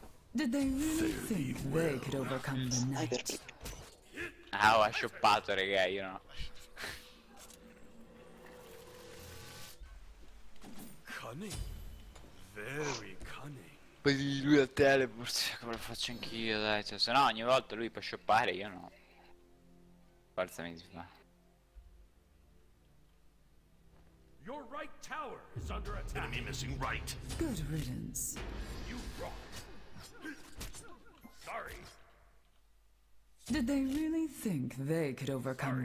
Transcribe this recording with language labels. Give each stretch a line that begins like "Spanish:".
English: Did they really think they could overcome the night?
Italian: Ah, ho sciuppato, raga, io no.
English: Cunning. Very cunning.
Italian: Poi lui a teleport, come lo faccio anch'io, dai. Cioè, se no, ogni volta lui può scioppare, io no. Forza mi si fa.
English: Your right tower is under attack. Enemy missing right. Good riddance. You rock. Sorry. Did they really think they could overcome